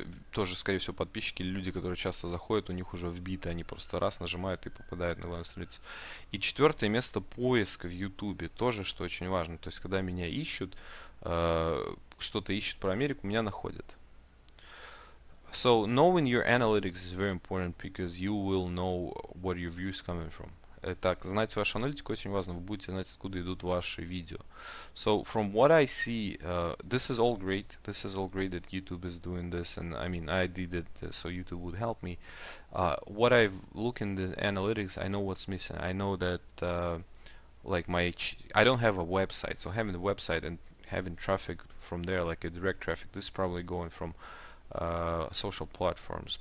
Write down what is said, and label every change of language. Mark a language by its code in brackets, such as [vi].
[ru] Тоже, скорее всего, подписчики, люди, которые часто заходят, у них уже вбиты, они просто раз нажимают и попадают на главную страницу. И четвертое место — поиск в Ютубе, тоже, что очень важно. То есть, когда меня ищут, что-то ищут про Америку, меня находят. [en] So, knowing your analytics is very important because you will know where your views coming from. [ru] Итак, знать вашу аналитику очень важно. Вы будете знать, откуда идут ваши видео. [en] So, from what I see, this is all great. This is all great that YouTube is doing this, and I mean, I did it so YouTube would help me. What I've looked in the analytics, I know what's missing. I know that, like my, I don't have a website, so having a website and having traffic from there, like a direct traffic, this is probably going from social platforms.